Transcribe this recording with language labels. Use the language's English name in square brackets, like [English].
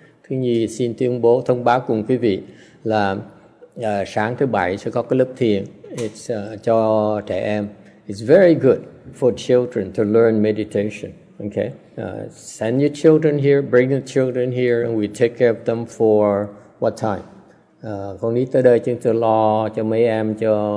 [Vietnamese] Thứ nhì xin tuyên bố thông báo cùng quý vị là sáng thứ bảy sẽ có cái lớp thiền. It's cho trẻ em. [English] It's very good for children to learn meditation. Okay, send your children here, bring the children here, and we take care of them for what time? [Vietnamese] Con nít tới đây chúng tôi lo cho mấy em cho